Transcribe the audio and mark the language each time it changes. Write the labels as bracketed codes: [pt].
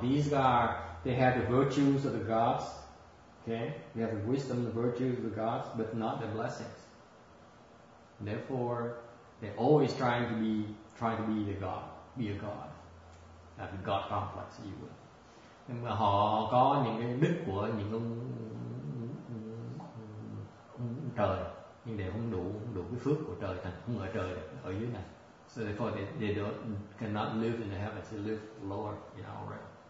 [en] These are, they have the virtues of the gods. Okay, we have the wisdom, the virtues of the gods, but not the blessings. Therefore, they're always trying to be the god, be a god, have the god complex, if you will. [vi] Nhưng mà họ có những cái đức của những ông trời, nhưng để không đủ cái phước của trời thành không ở trời ở dưới này. [en] So therefore, they don't, cannot live in the heavens; they live lower in our realm.